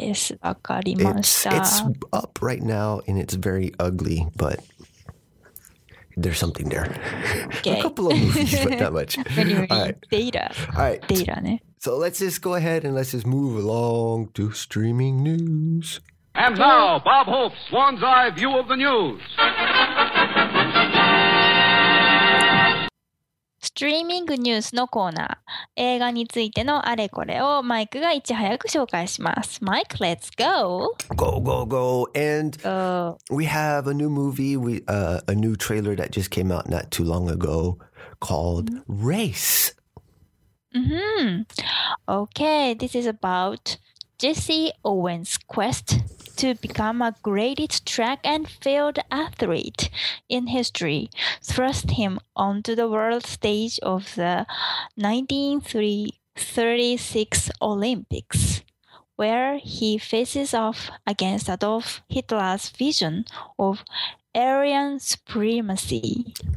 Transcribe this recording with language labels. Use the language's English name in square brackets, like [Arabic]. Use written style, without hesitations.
[English] It's up right now and it's very ugly, but there's something there. Okay. A couple of movies, but not much. All right. So let's just go ahead and let's just move along to streaming news. And now, Bob Hope's Swan's Eye View of the News. [Japanese] ストリーミングニュースのコーナー、映画についてのあれこれをマイクがいち早く紹介します。 [English] マイク、Let's go! Go, go, go! And we have a new movie, a new trailer that just came out not too long ago called Race. Mm-hmm. Okay, this is about Jesse Owens' quest to become a greatest track and field athlete in history, thrust him onto the world stage of the 1936 Olympics, where he faces off against Adolf Hitler's vision of Aryan supremacy.